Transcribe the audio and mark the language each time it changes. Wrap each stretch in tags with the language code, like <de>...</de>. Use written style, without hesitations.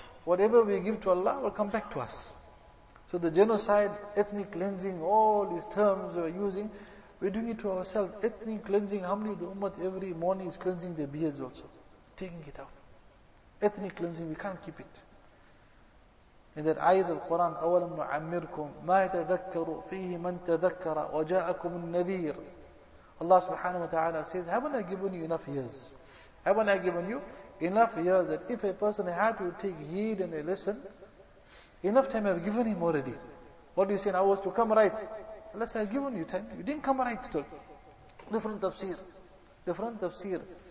<en>Whatever we give to Allah will come back to us. So the genocide, ethnic cleansing, all these terms we're using, we're doing it to ourselves. Ethnic cleansing, how many of the ummah every morning is cleansing their beards also? Taking it out. Ethnic cleansing, we can't keep it. In that ayat of Quran,</en> <ar>أَوَلَمْ نُعَمِّرْكُمْ مَا يَتَذَكَّرُ فِيهِ مَنْ تَذَكَّرَ وَجَاءَكُمُ النَّذِيرُ.</ar> <en>Allah subhanahu wa ta'ala says, haven't I given you enough years? Haven't I given you enough years that if a person had to take heed and a lesson, enough time I've given him already. What do you say in hours to come right? Allah says, I've given you time. You didn't come right still. Different tafsir. Different tafsir.</en>